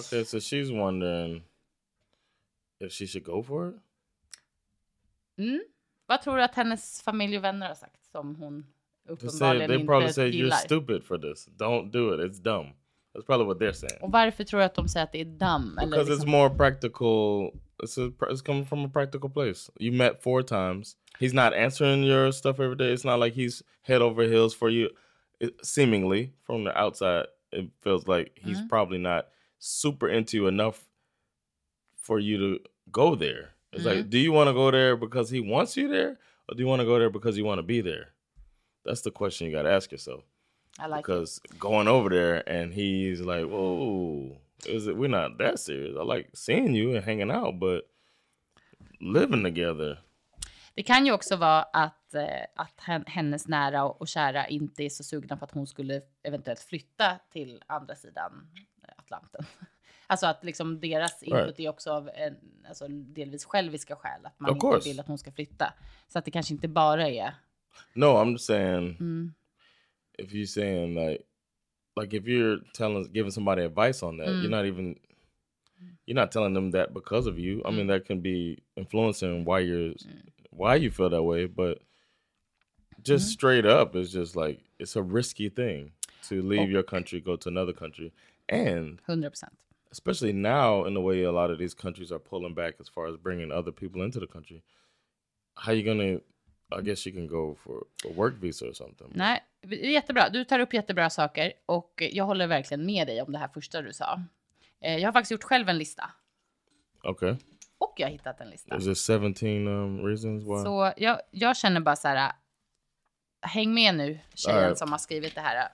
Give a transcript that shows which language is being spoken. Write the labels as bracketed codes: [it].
[en] Okay, so she's wondering if she should go for it? Mm. [sv] Vad tror du att hennes familj och vänner har sagt som hon... [en] They probably say you're stupid for this. Don't do it. It's dumb. That's probably what they're saying. [sv] Och varför tror du att de säger att det är dumb? [en] Because [sv] eller liksom... [en] it's more practical. It's coming from a practical place. You met 4 times. He's not answering your stuff every day. It's not like he's head over heels for you. Seemingly, from the outside, it feels like he's probably not super into you enough for you to go there. It's like, do you want to go there because he wants you there? Or do you want to go there because you want to be there? That's the question you got to ask yourself. I like because it. Going over there and he's like, "Whoa, is it? We're not that serious. I like seeing you and hanging out, but living together." [sv] Det kan ju också vara att hennes nära och kära inte är så sugna på att hon skulle eventuellt flytta till andra sidan Atlanten. Alltså att liksom deras input är också av en, alltså delvis själviska skäl att man [en] of [sv] inte [en] course. [sv] Vill att hon ska flytta. Så att det kanske inte bara är. [en] No, I'm just saying, if you're saying, like if you're giving somebody advice on that, you're not telling them that because of you. I mean, that can be influencing why you feel that way, but just straight up, it's just like, it's a risky thing to leave your country, go to another country, and 100%. Especially now, in the way a lot of these countries are pulling back as far as bringing other people into the country, how you gonna... I guess she can go for a work visa or something. [sv] Nej, jättebra. Du tar upp jättebra saker. Och jag håller verkligen med dig om det här första du sa. Jag har faktiskt gjort själv en lista. Okej. [en] Okay. [sv] Och jag har hittat en lista. [en] Is it 17 reasons why? [sv] Så jag känner bara så här. Häng med nu, tjejen right. som har skrivit det här.